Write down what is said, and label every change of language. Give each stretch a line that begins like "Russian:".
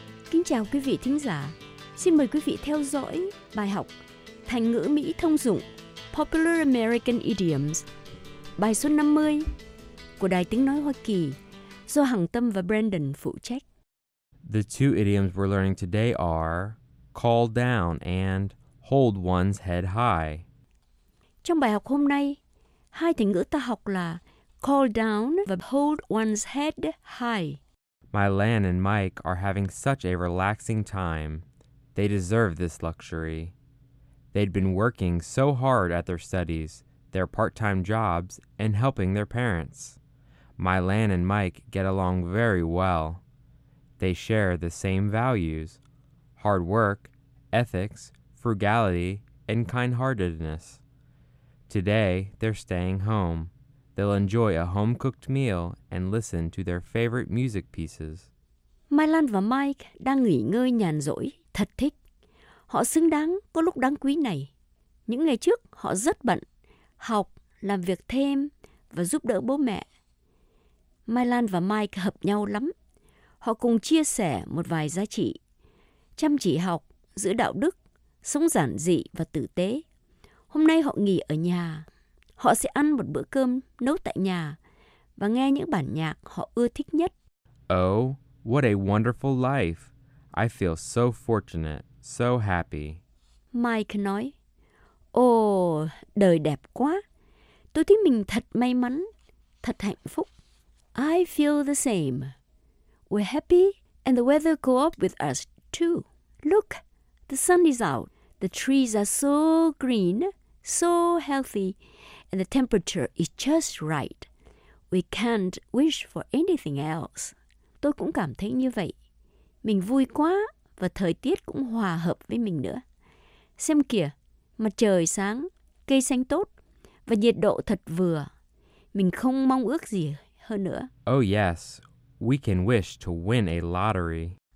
Vietnamese: Kính chào quý vị thính giả. Xin mời quý vị theo dõi bài học thành ngữ Mỹ thông dụng Popular American Idioms, bài số 50 của Đài Tiếng Nói Hoa Kỳ. So Hằng Tâm và Brandon phụ trách.
English: The two idioms we're learning today are call down and hold one's head high.
Vietnamese: Trong bài học hôm nay, hai thành ngữ ta học là call down và hold one's head high.
English: My Lan and Mike are having such a relaxing time. They deserve this luxury. They'd been working so hard at their studies, their part-time jobs, and helping their parents. My Lan and Mike get along very well. They share the same values: hard work, ethics, frugality, and kind-heartedness. Today, they're staying home. They'll enjoy a home-cooked meal and listen to their favorite music pieces.
Vietnamese: My Lan và Mike đang nghỉ ngơi nhàn rỗi, thật thích. Họ xứng đáng có lúc đáng quý này. Những ngày trước, họ rất bận, học, làm việc thêm, và giúp đỡ bố mẹ. Mai Lan và Mike hợp nhau lắm. Họ cùng chia sẻ một vài giá trị. Chăm chỉ học, giữ đạo đức, sống giản dị và tử tế. Hôm nay họ nghỉ ở nhà. Họ sẽ ăn một bữa cơm nấu tại nhà và nghe những bản nhạc họ ưa thích nhất.
English: Oh, what a wonderful life. I feel so fortunate, so happy.
Vietnamese: Mike nói, Oh, đời đẹp quá. Tôi thấy mình thật may mắn, thật hạnh phúc.
English: I feel the same. We're happy and the weather co-op with us too. Look, the sun is out. The trees are so green, so healthy, and the temperature is just right. We can't wish for anything else.
Vietnamese: Tôi cũng cảm thấy như vậy. Mình vui quá và thời tiết cũng hòa hợp với mình nữa. Xem kìa, mặt trời sáng, cây xanh tốt và nhiệt độ thật vừa. Mình không mong ước gì hơn nữa.
English: Oh yes, we can wish to win a lottery.